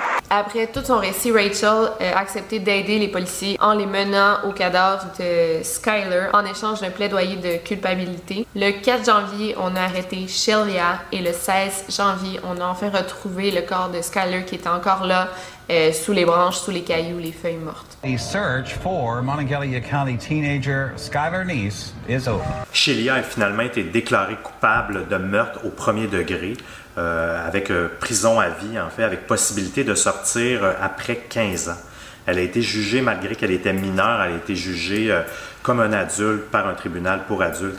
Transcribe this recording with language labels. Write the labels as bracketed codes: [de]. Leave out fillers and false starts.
[fr] Après tout son récit, Rachel a accepté d'aider les policiers en les menant au cadavre de Skyler en échange d'un plaidoyer de culpabilité. Le 4 janvier, on a arrêté Shelia et le 16 janvier, on a enfin retrouvé le corps de Skyler qui était encore là, sous les branches, sous les cailloux, les feuilles mortes. [en] The search for Monongalia County teenager Skyler Neese is over. [fr] Shelia a finalement été déclarée coupable de meurtre au premier degré. Avec prison à vie, en fait, avec possibilité de sortir après 15 ans. Elle a été jugée, malgré qu'elle était mineure, elle a été jugée comme un adulte par un tribunal pour adultes.